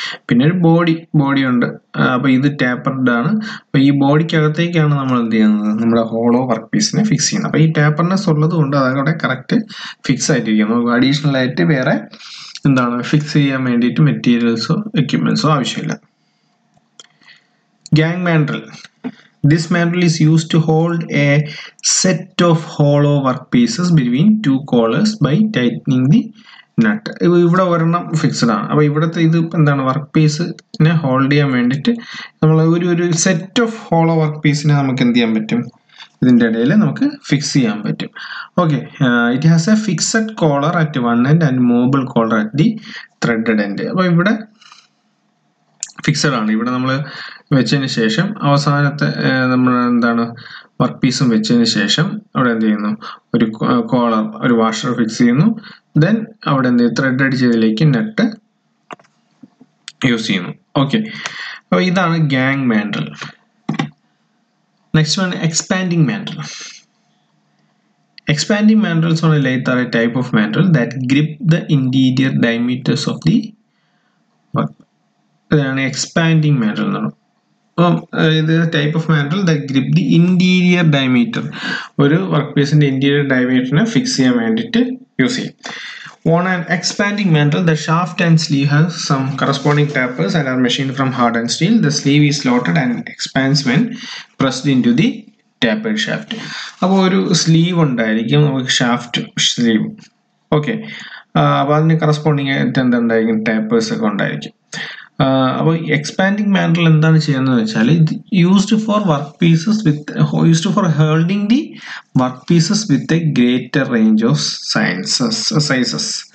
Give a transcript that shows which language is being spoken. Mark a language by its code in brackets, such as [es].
[ml] പിന്നെ ഒരു ബോഡി ഉണ്ട്, അപ്പോൾ ഇത് ടാപ്പർഡ് ആണ്. അപ്പോൾ ഈ ബോഡിക്കകത്തേക്കാണ് നമ്മൾ എന്ത് ചെയ്യുന്നത്? നമ്മുടെ ഹോളോ വർക്ക് പീസിനെ ഫിക്സ് ചെയ്യുന്നത്. അപ്പോൾ ഈ ടാപ്പർനെസ് ഉള്ളത് കൊണ്ട് അതവിടെ കറക്റ്റ് ഫിക്സ് ആയിട്ടിരിക്കും. നമുക്ക് അഡീഷണൽ ആയിട്ട് വേറെ എന്താണ് ഫിക്സ് ചെയ്യാൻ വേണ്ടിയിട്ട് മെറ്റീരിയൽസോ എക്യുപ്മെൻസോ ആവശ്യമില്ല. Gang mandrel. [en] This mandrel is used to hold a set of hollow work pieces between two collars by tightening the nut. [ml] ഇവിടെ ഒരെണ്ണം ഫിക്സ്ഡ് ആണ്. അപ്പോൾ ഇവിടുത്തെ ഇത് എന്താണ് വർക്ക് പീസിനെ ഹോൾഡ് ചെയ്യാൻ വേണ്ടിയിട്ട് നമ്മൾ ഒരു ഒരു സെറ്റ് ഓഫ് ഹോളോ വർക്ക് പീസിനെ നമുക്ക് എന്ത് ചെയ്യാൻ പറ്റും? ഇതിൻ്റെ ഇടയിൽ നമുക്ക് ഫിക്സ് ചെയ്യാൻ പറ്റും. Okay, [en] It has a fixed collar at one end and movable collar at the threaded end. [ml] അപ്പോൾ ഇവിടെ ഫിക്സഡ് ആണ്. ഇവിടെ നമ്മൾ വെച്ചതിന് ശേഷം അവസാനത്തെ നമ്മൾ എന്താണ് വർക്ക് പീസും വെച്ചതിന് ശേഷം അവിടെ എന്ത് ചെയ്യുന്നു, ഒരു കോളർ ഒരു വാഷർ ഫിക്സ് ചെയ്യുന്നു. ദെൻ അവിടെ എന്ത് ചെയ്യും, ത്രെഡ് അടിച്ച് ഇതിലേക്ക് നെട്ട് യൂസ് ചെയ്യുന്നു. ഓക്കെ, അപ്പോൾ ഇതാണ് gang mandrel. [en] Next one expanding mandrel. Expanding mandrels ആണ് lathe are a type of mandrel that grip the interior diameters of the work. [ml] ഇതാണ് എക്സ്പാൻഡിങ് മാൻഡ്രൽ എന്ന് പറഞ്ഞു. അപ്പം ഇത് [en] Type of mandrel that grip the interior diameter. [ml] ഒരു work പീസിൻ്റെ interior ഡയമീറ്ററിനെ fix ചെയ്യാൻ വേണ്ടിയിട്ട് യൂസ് ചെയ്യും. [en] On an expanding mandrel, the shaft and sleeve has some corresponding tappers and are machined from hardened steel. The sleeve is slotted and expands when pressed into the tapered shaft. [ml] അപ്പോൾ ഒരു sleeve ഉണ്ടായിരിക്കും, നമുക്ക് shaft sleeve. Okay, അപ്പോൾ അതിന് corresponding ആയിട്ട് എന്തുണ്ടായിരിക്കും, tappers ഒക്കെ ഉണ്ടായിരിക്കും. അപ്പോൾ എക്സ്പാൻഡിങ് മാൻഡ്രൽ എന്താണ് ചെയ്യുന്നത് വെച്ചാൽ, ഇത് [en] Used for work pieces with used for holding the work pieces with a greater range of sizes.